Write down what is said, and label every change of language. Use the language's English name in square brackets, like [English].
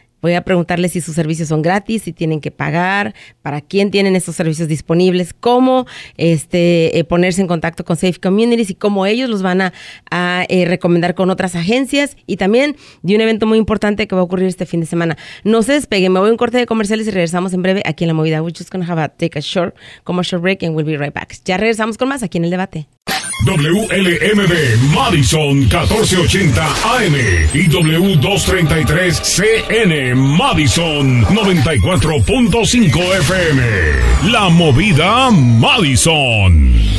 [Spanish] Voy a preguntarles si sus servicios son gratis, si tienen que pagar, para quién tienen esos servicios disponibles, cómo ponerse en contacto con Safe Communities y cómo ellos los van a recomendar con otras agencias. Y también de un evento muy importante que va a ocurrir este fin de semana. No se despeguen, me voy a un corte de comerciales y regresamos en breve aquí en La Movida. [English] We're just going to have a take a short commercial break and we'll be right back. [Spanish] Ya regresamos con más aquí en El Debate. WLMB Madison 1480 AM y W233 CN Madison 94.5 FM. La Movida Madison.